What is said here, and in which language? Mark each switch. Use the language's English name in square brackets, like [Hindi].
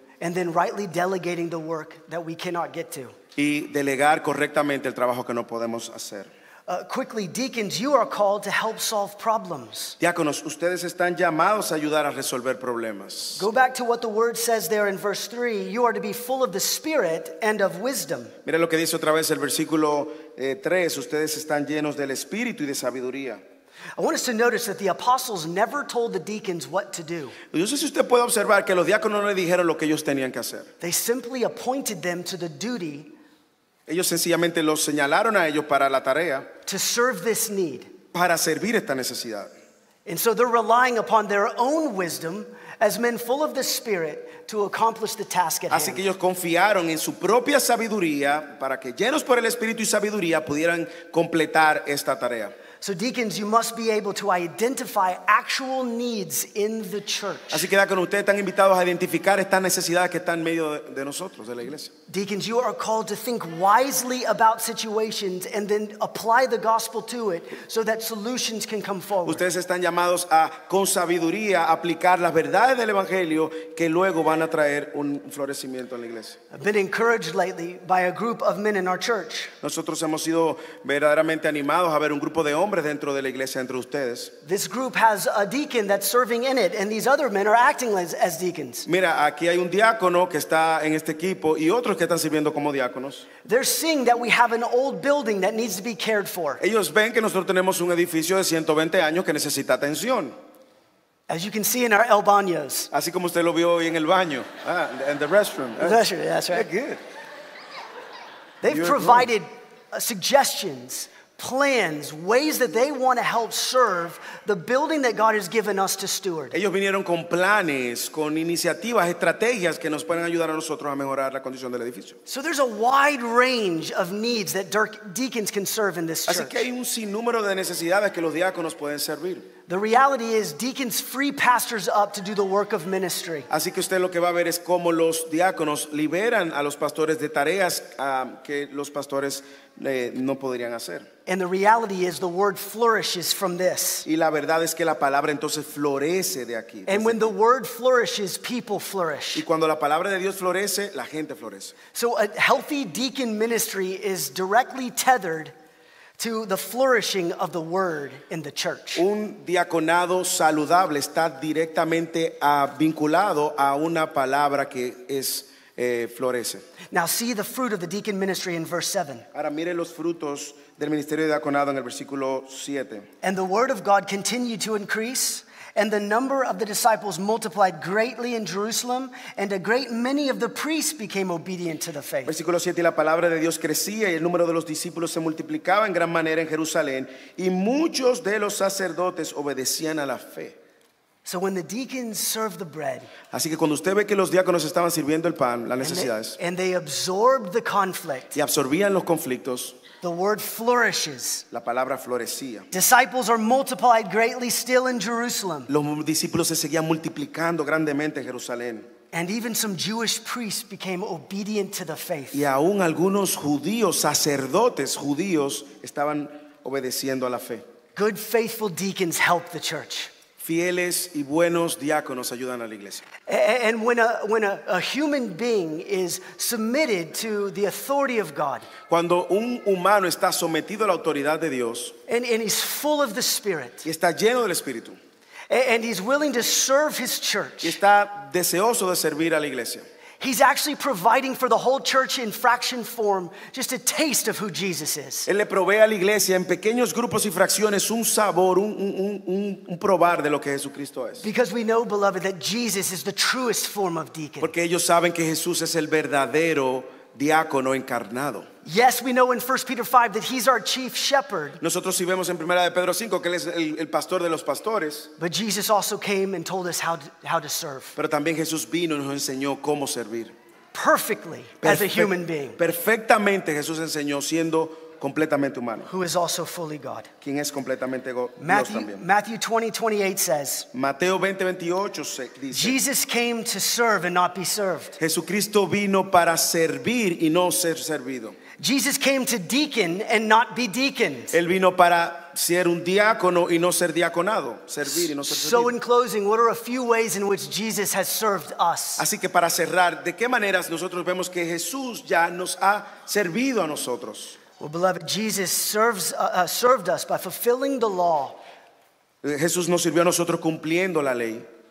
[English] And then rightly delegating the work that we cannot get to. [Spanish] Y delegar correctamente el trabajo que no podemos hacer. [English] Quickly, deacons, you are called to help solve problems. [Spanish] Diáconos, ustedes están llamados a ayudar a resolver problemas. [English] Go back to what the word says there in verse 3. You are to be full of the Spirit and of wisdom. [Spanish] Mira lo que dice otra vez el versículo 3. Ustedes están llenos del Espíritu y de sabiduría. [English] I want us to notice that the apostles never told the deacons what to do. [Spanish] Yo sé si usted puede observar que los diáconos no le dijeron lo que ellos tenían que hacer. [English] They simply appointed them to the duty. [Spanish] Ellos sencillamente los señalaron a ellos para la tarea. [English] To serve this need. [Spanish] Para servir esta necesidad. [English] And so they're relying upon their own wisdom as men full of the Spirit to accomplish the task at hand. [Spanish] Así que ellos confiaron en su propia sabiduría para que llenos por el Espíritu y sabiduría pudieran completar esta tarea. [English] So deacons, you must be able to identify actual needs in the church. [Spanish] Así que con ustedes están invitados a identificar estas necesidades que están en medio de nosotros, de la iglesia. [English] Deacons, you are called to think wisely about situations and then apply the gospel to it so that solutions can come forward. [Spanish] Ustedes están llamados a con sabiduría aplicar las verdades del evangelio que luego van a traer un florecimiento en la iglesia. [English] I've been encouraged lately by a group of men in our church. [Spanish] Nosotros hemos sido verdaderamente animados a ver un grupo de hombres dentro de la iglesia entre ustedes. [English] This group has a deacon that's serving in it and these other men are acting as deacons. [Spanish] Mira, aquí hay un diácono que está en este equipo y otros que están sirviendo como diáconos. [English] They're seeing that we have an old building that needs to be cared for. [Spanish] Ellos ven que nosotros tenemos un edificio de 120 años que necesita atención. [English] As you can see in our [Spanish] el baños. Así como usted lo vio hoy en el baño. [English] And the restroom. The restroom, that's right. Good. They've provided suggestions, plans, ways that they want to help serve the building that God has given us to steward. [Spanish] Ellos vinieron con planes, con iniciativas, estrategias que nos pueden ayudar a nosotros a mejorar la condición del edificio. [English] So there's a wide range of needs that deacons can serve in this church. [Spanish] Así que hay un sinnúmero de necesidades que los diáconos pueden servir. [English] The reality is deacons free pastors up to do the work of ministry. [Spanish] Así que usted lo que va a ver es cómo los diáconos liberan a los pastores de tareas que los pastores no podrían hacer. [English] And the reality is the word flourishes from this. [Spanish] Y la verdad es que la palabra entonces florece de aquí. [English] And when the word flourishes, people flourish. [Spanish] Y cuando la palabra de Dios florece, la gente florece. [English] So a healthy deacon ministry is directly tethered to the flourishing of the word in the church. [Spanish] Un diaconado saludable está directamente vinculado a una palabra que es florece. [English] Now see the fruit of the deacon ministry in verse 7. [Spanish] Ahora mire los frutos del ministerio de diaconado en el versículo 7. [English] And the word of God continued to increase, and the number of the disciples multiplied greatly in Jerusalem, and a great many of the priests became obedient to the faith. [Spanish] Versículo 7, y la palabra de Dios crecía, y el número de los discípulos se multiplicaba en gran manera en Jerusalén, y muchos de los sacerdotes obedecían a la fe. [English] So when the deacons serve the bread, [Spanish] así que cuando usted ve que los diáconos estaban sirviendo el pan, las necesidades, [English] and they absorbed the conflict, [Spanish] y absorbían los conflictos, [English] the word flourishes. [Spanish] La palabra florecía. [English] Disciples are multiplied greatly still in Jerusalem. [Spanish] Los discípulos se seguían multiplicando grandemente en Jerusalén. [English] And even some Jewish priests became obedient to the faith. [Spanish] Y aún algunos judíos, sacerdotes judíos, estaban obedeciendo a la fe. [English] Good faithful deacons help the church. [Spanish] fieles y buenos diáconos ayudan a la iglesia. [English] And when a human being is submitted to the authority of God, [Spanish] cuando un humano está sometido a la autoridad de Dios, [English] and he's full of the Spirit, [Spanish] y está lleno del Espíritu, [English] and he's willing to serve his church, [Spanish] y está deseoso de servir a la iglesia, [English] he's actually providing for the whole church in fraction form, just a taste of who Jesus is. [Spanish] Él le provee a la iglesia en pequeños grupos y fracciones un sabor, un probar de lo que Jesucristo es. [English] Because we know, beloved, that Jesus is the truest form of deacon. [Spanish] Porque ellos saben que Jesús es el verdadero diácono encarnado. [English] Yes, we know in 1 Peter 5 that he's our chief shepherd. [Spanish] Nosotros sí vemos en Primera de Pedro 5 que él es el pastor de los pastores. [English] But Jesus also came and told us how to serve. [Spanish] Pero también Jesús vino y nos enseñó cómo servir. [English] Perfectly as a human being. [Spanish] Perfectamente Jesús enseñó siendo completamente humano. [English] Who is also fully God. [Spanish] Quien es completamente Dios también. [English] Matthew 20:28 says. [Spanish] Mateo 20:28 dice. [English] Jesus came to serve and not be served. [Spanish] Jesucristo vino para servir y no ser servido. [English] Jesus came to deacon and not be deaconed. [Spanish] Él vino para ser un diácono y no ser diaconado, servir y no ser servido. [English] So in closing, what are a few ways in which Jesus has served us? [Spanish] Así que para cerrar, ¿de qué maneras nosotros vemos que Jesús ya nos ha servido a nosotros? [English] Well, beloved, Jesus served us by fulfilling the law. [Spanish] Jesús nos sirvió a nosotros cumpliendo la ley.